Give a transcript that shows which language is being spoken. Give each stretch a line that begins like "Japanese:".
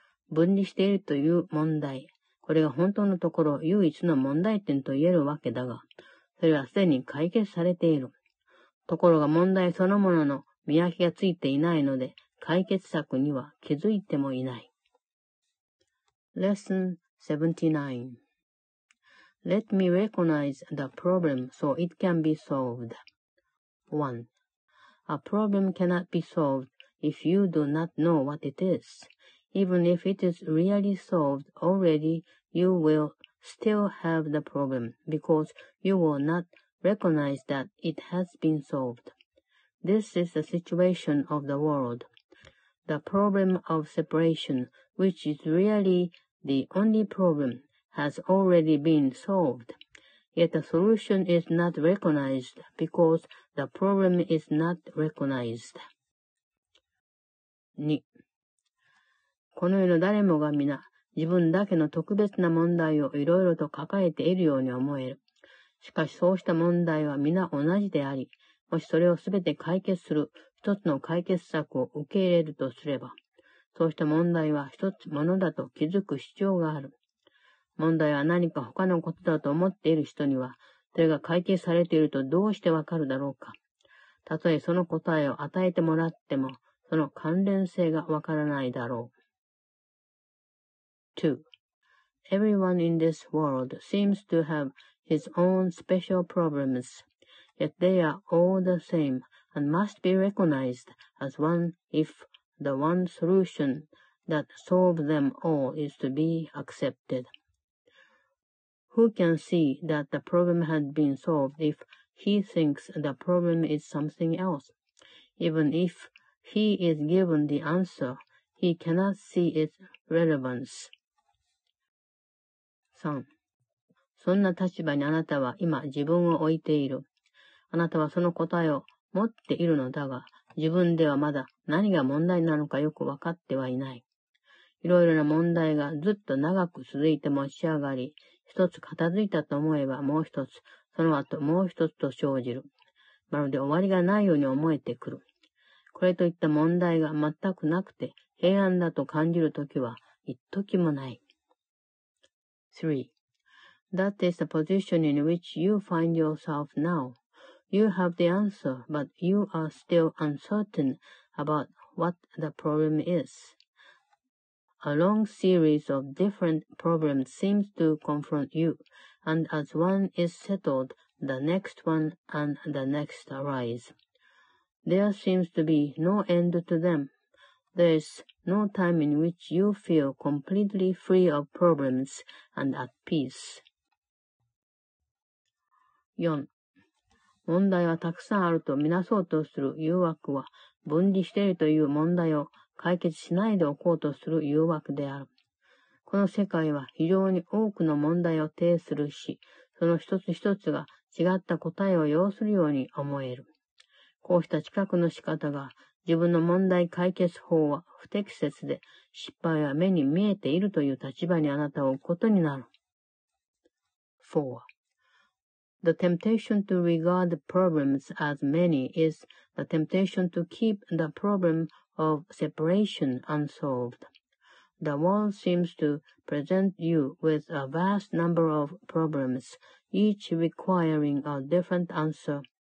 Japanese: 分離しているという問題。これが本当のところ唯一の問題点と言えるわけだが、それはすでに解決されている。ところが問題そのものの見分けがついていないので、解決策には気づいてもいない。
English: Lesson 79. Let me recognize the problem so it can be solved. 1. A problem cannot be solved if you do not know what it is. Even if it is really solved already, you will still have the problem because you will not recognize that it has been solved. This is the situation of the world. The problem of separation, which is really the only problem, has already been solved. Yet the solution is not recognized because the problem is not recognized.
Japanese: 2. この世の誰もが皆、自分だけの特別な問題をいろいろと抱えているように思える。しかしそうした問題は皆同じであり、もしそれをすべて解決する一つの解決策を受け入れるとすれば、そうした問題は一つものだと気づく必要がある。問題は何か他のことだと思っている人には、それが解決されているとどうしてわかるだろうか。たとえその答えを与えてもらっても、その関連性がわからないだろう。
English: 2. Everyone in this world seems to have his own special problems, yet they are all the same and must be recognized as one if the one solution that solves them all is to be accepted. Who can see that the problem had been solved if he thinks the problem is something else? Even if he is given the answer, he cannot see its relevance.
Japanese: 3. そんな立場にあなたは今自分を置いている。あなたはその答えを持っているのだが、自分ではまだ何が問題なのかよく分かってはいない。いろいろな問題がずっと長く続いて持ち上がり、一つ片付いたと思えばもう一つ、その後もう一つと生じる。まるで終わりがないように思えてくる。これといった問題が全くなくて平安だと感じるときは一時もない。
English: 3. That is the position in which you find yourself now. You have the answer, but you are still uncertain about what the problem is. A long series of different problems seems to confront you, and as one is settled, the next one and the next arise. There seems to be no end to them. There is no time in which you feel completely free of problems and at peace.
Japanese: 4. 問題はたくさんあると見なそうとする誘惑は、分離しているという問題を解決しないでおこうとする誘惑である。この世界は非常に多くの問題を呈するし、その一つ一つが違った答えを要するように思える。こうした知覚の仕方が、自分の問題解決法は不適切で、失敗は目に見えているという立場にあなたを置くことになる。
English: 4. The temptation to regard problems as many is the temptation to keep the problem of separation unsolved. The world seems to present you with a vast number of problems, each requiring a different answer.